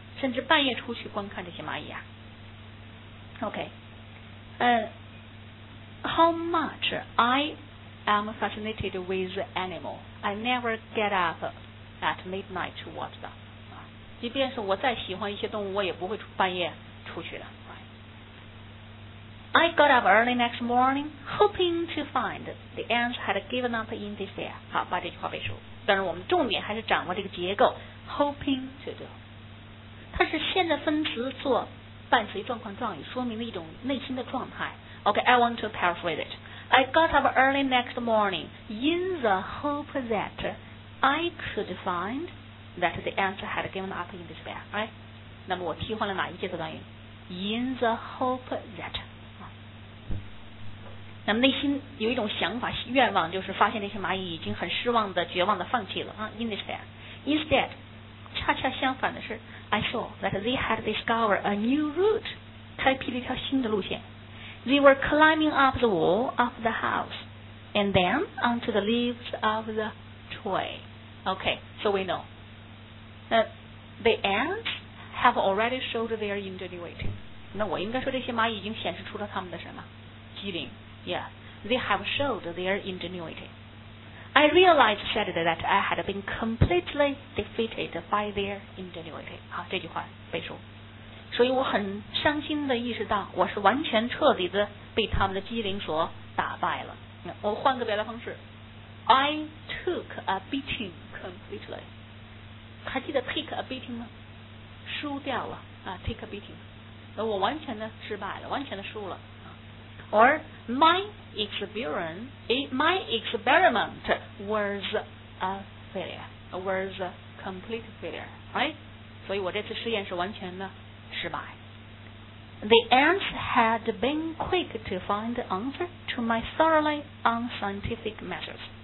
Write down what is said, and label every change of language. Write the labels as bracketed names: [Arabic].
[Chinese] 甚至半夜出去观看这些蚂蚁啊。 [English] Okay. How much I am fascinated with the animal. I never get up at midnight to watch them. [Chinese] 即便是我再喜欢一些动物，我也不会半夜出去的。 [English] I got up early next morning, hoping to find the ants had given up in despair. [Chinese] 好，把这句话背熟。但是我们重点还是掌握这个结构 ，hoping to do。它是现在分词做伴随状况状语，说明了一种内心的状态。 [English] Okay, I want to paraphrase it. I got up early next morning in the hope that I could find. That the ants had given up in despair, right? [Chinese] 那么我替换了哪一介词短语 ？ [English] In the hope that. [Chinese] 那么内心有一种想法、愿望，就是发现那些蚂蚁已经很失望的、绝望的放弃了啊。 [English] In despair. Instead, [Chinese] 恰恰相反的是 [English] ，I saw that they had discovered a new route, [Chinese] 开辟了一条新的路线。 [English] They were climbing up the wall of the house, and then onto the leaves of the tree. Okay, so we know. The ants have already showed their ingenuity. [Chinese] 那我应该说这些蚂蚁已经显示出了他们的什么机灵 ？ [English] Yeah, they have showed their ingenuity. I realized sadly that I had been completely defeated by their ingenuity. [Chinese] 好，这句话背熟。所以我很伤心的意识到，我是完全彻底的被他们的机灵所打败了。我换个表达方式 ， [English] I took a beating completely. [Chinese] 还记得 [English] take a beating [Chinese] 吗？输掉了啊 ，take a beating， 那我完全的失败了，完全的输了。 [English] Or my experiment was a failure, was a complete failure, right? [Chinese] 所以我这次试验是完全的失败。 [English] The ants had been quick to find the answer to my thoroughly unscientific measures.